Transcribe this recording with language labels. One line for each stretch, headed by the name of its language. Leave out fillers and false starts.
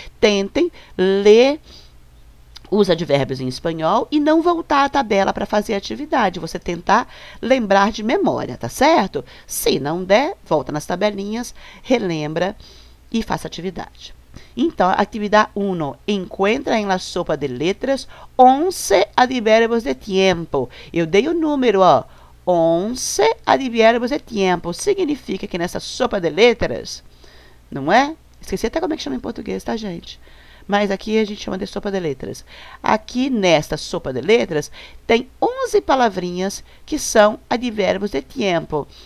Portuguese: Tentem ler os advérbios em espanhol e não voltar à tabela para fazer a atividade. Você tentar lembrar de memória, tá certo? Se não der, volta nas tabelinhas, relembra e faça a atividade.
Spanish: Então, actividad 1. Encuentra en la sopa de letras 11 adverbios de tiempo.
Portuguese: Eu dei o número, ó. 11
Spanish: adverbios de tiempo.
Portuguese: Significa que nessa sopa de letras, não é? Esqueci até como é que chama em português, tá, gente? Mas aqui a gente chama de sopa de letras. Aqui nesta sopa de letras, tem 11 palavrinhas que são
Spanish: adverbios de tiempo.